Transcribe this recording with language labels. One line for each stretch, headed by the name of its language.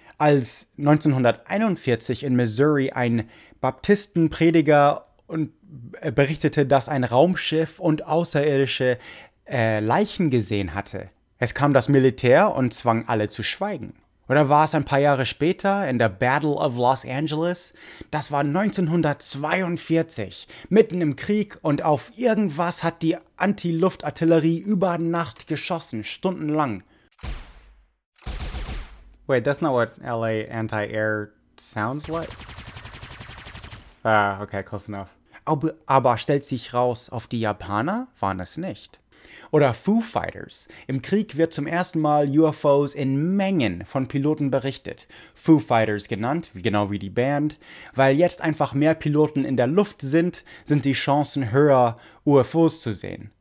German: Als 1941 in Missouri ein Baptistenprediger und berichtete, dass ein Raumschiff und außerirdische Leichen gesehen hatte. Es kam das Militär und zwang alle zu schweigen. Oder war es ein paar Jahre später in der Battle of Los Angeles? Das war 1942, mitten im Krieg und auf irgendwas hat die Antiluftartillerie über Nacht geschossen, stundenlang.
English: Wait, that's not what LA anti-air sounds like. Okay, close enough.
German: Aber stellt sich raus, auf die Japaner waren es nicht. Oder Foo Fighters. Im Krieg wird zum ersten Mal UFOs in Mengen von Piloten berichtet. Foo Fighters genannt, genau wie die Band. Weil jetzt einfach mehr Piloten in der Luft sind, sind die Chancen höher, UFOs zu sehen.